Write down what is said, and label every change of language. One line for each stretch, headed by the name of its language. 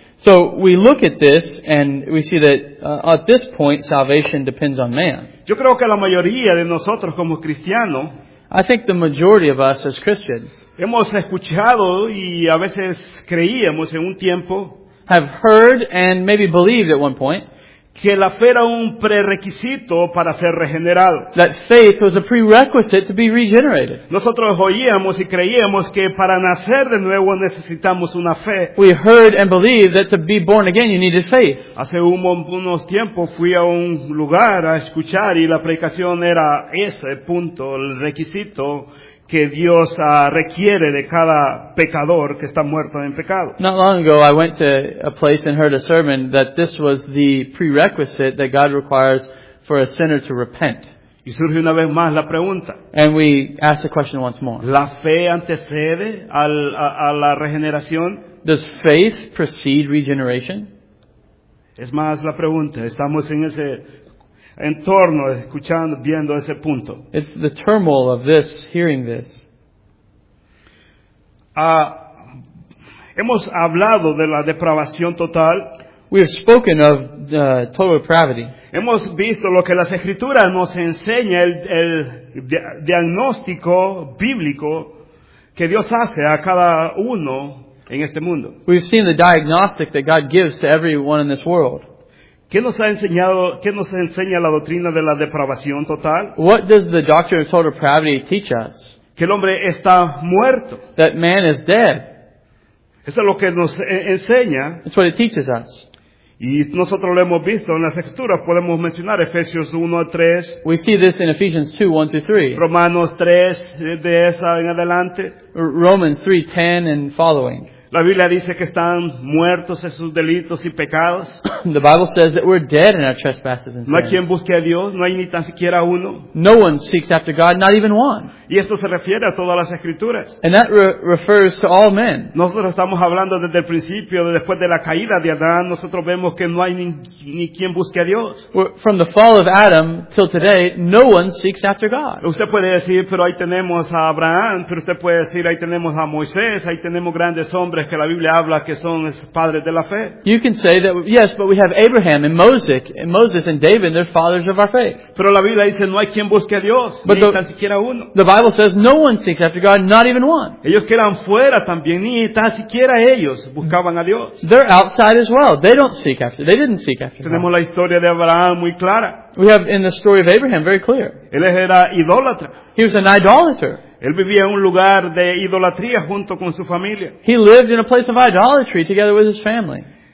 English: So we look at this and we see that at this point salvation depends on man.
Spanish: Yo creo que la mayoría de nosotros como cristianos,
English: I think the majority of us as Christians
Spanish: hemos escuchado y a veces creíamos en un tiempo,
English: have heard and maybe believed at one point
Spanish: que la fe era un prerequisito para ser regenerado.
English: That faith was a prerequisite to be regenerated.
Spanish: Nosotros oíamos y creíamos que para nacer de nuevo necesitamos una fe.
English: We heard and believed that to be born again you needed faith.
Spanish: Hace unos tiempos fui a un lugar a escuchar y la predicación era ese punto, el requisito que Dios requiere de cada pecador que está muerto en pecado.
English: Not long ago, I went to a place and heard a sermon that this was the prerequisite that God requires for a sinner to repent.
Spanish: Y surge una vez más la pregunta.
English: And we ask the question once more.
Spanish: ¿La fe antecede a la regeneración?
English: Does faith precede regeneration?
Spanish: Es más la pregunta. Estamos en ese en torno, escuchando, viendo ese punto.
English: It's the turmoil of this, hearing this.
Spanish: Hemos hablado de la depravación total.
English: We have spoken of total depravity.
Spanish: Hemos visto lo que las Escrituras nos enseña, el diagnóstico bíblico que Dios hace a cada uno en este mundo.
English: We've seen the diagnostic that God gives to everyone in this world.
Spanish: ¿Qué nos ha enseñado, qué nos enseña la doctrina de la depravación total?
English: What does the doctrine of total depravity teach us?
Spanish: Que el hombre está muerto.
English: That man is dead.
Spanish: Eso es lo que nos enseña.
English: It's what it teaches us.
Spanish: Y nosotros lo hemos visto en las escrituras. Podemos mencionar Efesios 1 a 3.
English: We see this in Ephesians 2, 1 to 3.
Spanish: Romanos 3, de esa en adelante.
English: Romans 3, 10 and following.
Spanish: La Biblia dice que están muertos en sus delitos y pecados.
English: The Bible says that we're dead in our trespasses and sins.
Spanish: No hay quien busque a Dios, no hay ni tan siquiera uno.
English: No one seeks after God, not even one.
Spanish: Y esto se refiere a todas las escrituras.
English: And that refers to all men.
Spanish: Nosotros estamos hablando desde el principio, después de la caída de Adán, nosotros vemos que no hay ni quien busque a Dios.
English: From the fall of Adam till today, no one seeks after God.
Spanish: Usted puede decir, pero ahí tenemos a Abraham, pero usted puede decir, ahí tenemos a Moisés, ahí tenemos grandes hombres que la Biblia habla que son padres de la fe.
English: You can say that, yes, but we have Abraham and Moses and Moses and David, they're fathers of our faith.
Spanish: Pero la Biblia dice, no hay quien busque a Dios,
English: but
Spanish: ni tan siquiera uno.
English: The Bible says no one seeks after God, not even one.
Spanish: Ellos quedan fuera también, ni tan siquiera ellos buscaban a Dios.
English: They're outside as well. They don't seek after. They didn't seek after.
Spanish: Tenemos la historia de Abraham muy clara.
English: We have in the story of Abraham very clear.
Spanish: Él era idólatra.
English: He was an idolater.
Spanish: Él vivía en un lugar de idolatría junto con su familia.
English: He lived in a place of idolatry together with his family.